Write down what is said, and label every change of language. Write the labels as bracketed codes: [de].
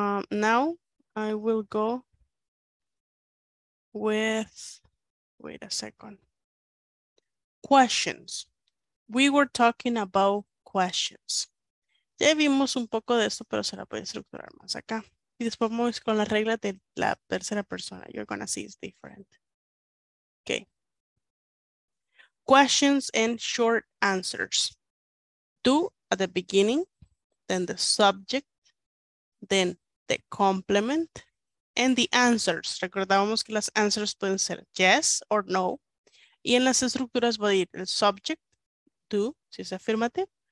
[en] Now I will go with, wait a second, questions. We were talking about questions. [es] Ya vimos un poco de esto, pero se la puede estructurar más acá. Y después vamos con las reglas de la tercera persona. [en] You're gonna see it's different. Okay. Questions and short answers. Do at the beginning, then the subject, then the complement, and the answers. [es] Recordábamos que las answers pueden ser yes or no. Y en las estructuras va a ir el subject, do, si es affirmative.